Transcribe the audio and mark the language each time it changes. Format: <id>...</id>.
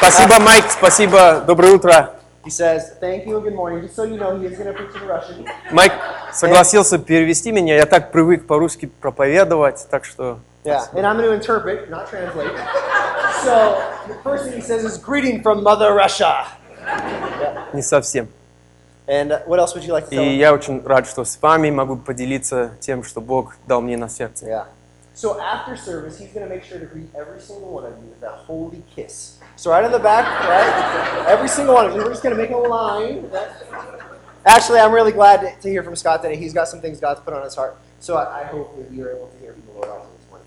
<ru>Спасибо, Майк, спасибо, доброе утро.</ru> <en>He says, thank you, good morning. Just so you know, he's going to preach in Russian.</en> <ru>Майк согласился перевести меня, я так привык по-русски проповедовать, так что...</ru> <en>Yeah, and I'm going to interpret, not translate. So, the first thing he says is, greeting from Mother Russia.</en> <ru>Не совсем.</ru> <en>And what else would you like to tell</en> <ru>И я очень рад, что с вами могу поделиться тем, что Бог дал мне на сердце.</ru> <en>Yeah. So after service, he's going to make sure to greet every single one of you with a holy kiss. So right in the back, right? Every single one of you. We're just going to make a line. Actually, I'm really glad to hear from Scott today. He's got some things God's put on his heart. So I hope that you're able to hear from the Lord also this morning.</en>